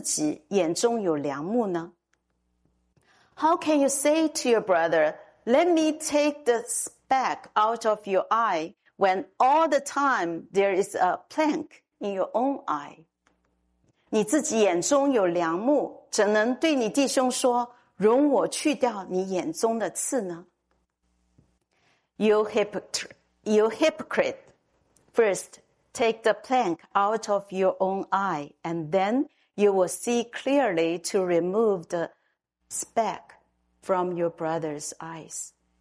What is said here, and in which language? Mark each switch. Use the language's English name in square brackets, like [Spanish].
[Chinese] 为什么看见你弟兄眼中有刺，却不想自己眼中有梁木呢？ [English] How can you say to your brother, let me take the speck out of your eye, when all the time there is a plank in your own eye? [Chinese] 你自己眼中有梁木，怎能对你弟兄说，容我去掉你眼中的刺呢？ [English] You hypocrite, first take the plank out of your own eye, and then you will see clearly to remove the speck from your brother's eyes.